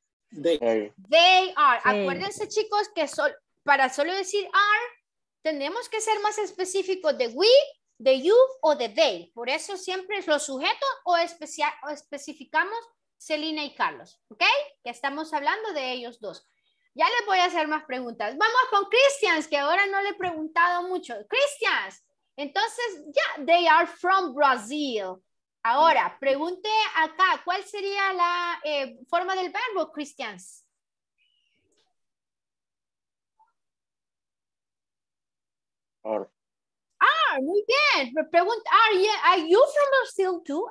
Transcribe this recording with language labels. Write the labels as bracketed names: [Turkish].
[English] They are. [Spanish] Acuérdense, chicos, que para solo decir are, tenemos que ser más específicos de we, de you o de they. Por eso siempre es lo sujeto o especificamos Celina y Carlos. ¿Ok? Que estamos hablando de ellos dos. Ya les voy a hacer más preguntas. Vamos con Christians, que ahora no le he preguntado mucho. [English] Christians, [Spanish] entonces ya, [English] yeah, they are from Brazil. [Spanish] Ahora, pregunte acá, ¿cuál sería la forma del verbo, Christians? [English] Are. [Spanish] Muy bien. Pregunta, [English] are you from Brazil too?